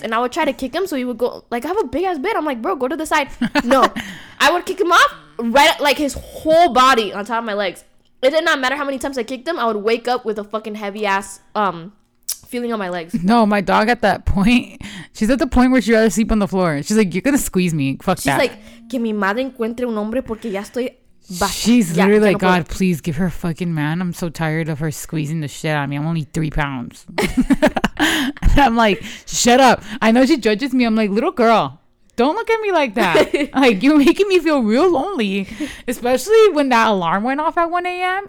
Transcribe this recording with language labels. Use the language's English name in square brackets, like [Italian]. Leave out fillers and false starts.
[English] And I would try to kick him so he would go. Like, I have a big ass bed. I'm like, bro, go to the side. No. I would kick him off, right, like his whole body on top of my legs. It did not matter how many times I kicked him. I would wake up with a fucking heavy ass feeling on my legs. No, my dog at that point, she's at the point where she'd rather sleep on the floor. She's like, you're going to squeeze me. Fuck she's that. [Spanish] She's like, que mi madre encuentre un hombre porque ya estoy... [English] She's literally like, God, please give her a fucking man. I'm so tired of her squeezing the shit out of me. I'm only 3 pounds. And I'm like, shut up. I know she judges me. I'm like, little girl, don't look at me like that. Like, you're making me feel real lonely. Especially when that alarm went off at 1 a.m.